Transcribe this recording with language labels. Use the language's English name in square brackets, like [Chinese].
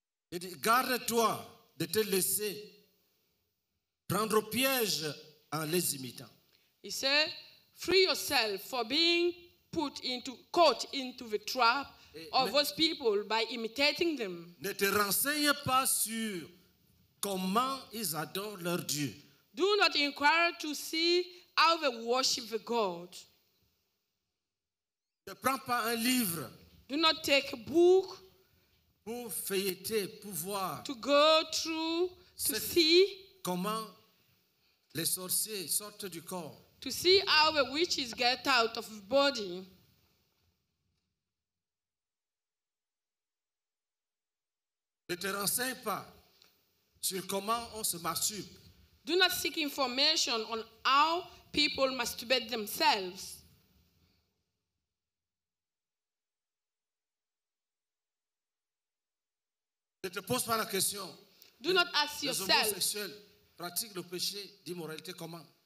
[French] Et garde-toi de te laisser prendre au piège en les imitant. [English] He said, free yourself for being put into, caught into the trap of those people by imitating them. [French] Ne te renseigne pas sur comment ils adorent leur Dieu. [English] Do not inquire to see how they worship the God. [French] Ne prends pas un livre. [English] Do not take a book [French] pour feuilleter, pour voir. [English] To go through, to see [French] comment les sorciers sortent du corps. [English] To see how the witches get out of the body. [French] Ne te renseigne pas sur comment on se masturbe. [English] Do not seek information on how people masturbate themselves. [French] Ne te pose pas la question. [English] Do not ask yourself. [French] Pratique le péché d'immoralité comment?